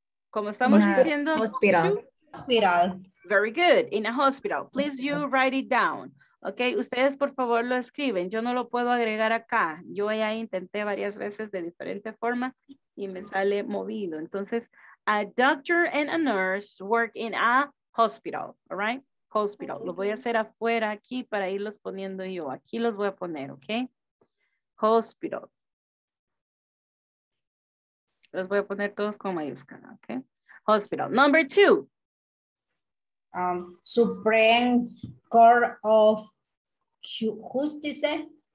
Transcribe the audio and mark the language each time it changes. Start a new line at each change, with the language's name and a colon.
Spanish: Como estamos diciendo.
English: Hospital. Hospital. Very good, in a hospital. Please you write it down. Ok,
Spanish: ustedes por favor lo escriben. Yo no lo puedo agregar acá. Yo ya intenté varias veces de diferente forma y me sale movido. Entonces,
English: a doctor and a nurse work in a hospital. All right? Hospital.
Spanish: Lo voy a hacer afuera aquí para irlos poniendo yo. Aquí los voy a poner, ok? Hospital. Los voy a poner todos con mayúscula, ok?
English: Hospital. Number two. Supreme Court of Justice.